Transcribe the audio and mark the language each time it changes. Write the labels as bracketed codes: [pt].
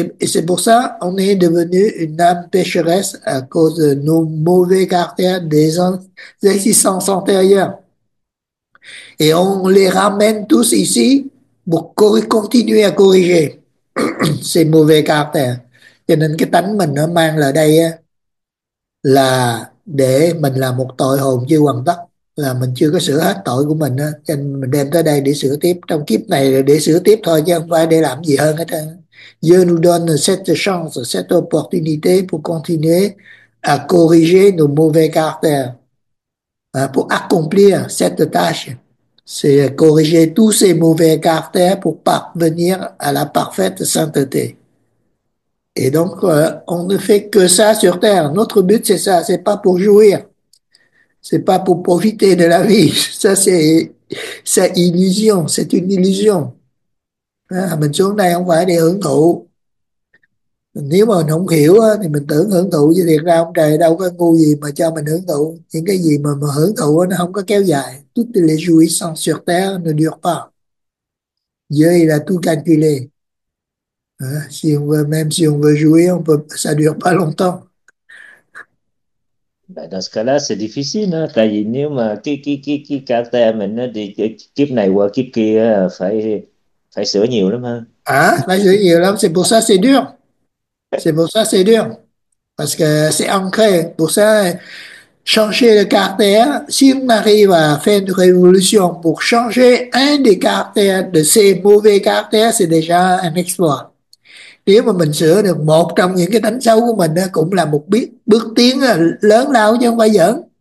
[fr] Et c'est pour ça qu'on est devenu une âme pécheresse à cause de nos mauvais caractères des existences antérieures. Et on les ramène tous ici pour continuer à corriger ces mauvais caractères. [vi] Cho nên cái tánh mình nó mang lại đây á, là để mình là một tội hồn chưa hoàn tất, là mình chưa có sửa hết tội của mình á, cho nên mình đem tới đây để sửa tiếp trong kiếp này, để sửa tiếp thôi chứ không phải để làm gì hơn hết. [fr] Dieu nous donne cette chance, cette opportunité pour continuer à corriger nos mauvais caractères, pour accomplir cette tâche. C'est corriger tous ces mauvais caractères pour parvenir à la parfaite sainteté. Et donc, on ne fait que ça sur Terre. Notre but, c'est ça. C'est pas pour jouir. C'est pas pour profiter de la vie. Ça, c'est illusion. C'est une illusion. [vi] Mình xuống đây không phải để hưởng thụ. Nếu mà mình không hiểu thì mình tưởng hưởng thụ, chứ thiệt ra ông trời đâu có ngu gì mà cho mình hưởng thụ. Những cái gì mà hưởng thụ nó không có kéo dài. [fr] Toutes les jouissances sur Terre ne durent pas. Dieu, il a tout calculé. Si on veut, même si on veut jouer, on peut, ça dure pas longtemps. Ben dans ce cas-là, c'est difficile, hein? [vi] Tại vì nếu mà cái caractère mình nó đi kiếp này qua kiếp kia phải phải sửa nhiều lắm hơn. [fr] À, [vi] phải sửa nhiều lắm, [fr] c'est pour ça c'est dur. C'est pour ça c'est dur. Parce que c'est ancré. Pour ça, changer le caractère, si on arrive à faire une révolution pour changer un des caractères, de ces mauvais caractères, c'est déjà un exploit. [vi] Nếu mà mình sửa được một trong những cái tánh xấu của mình đó, cũng là một bước tiến lớn lao chứ không phải giỡn.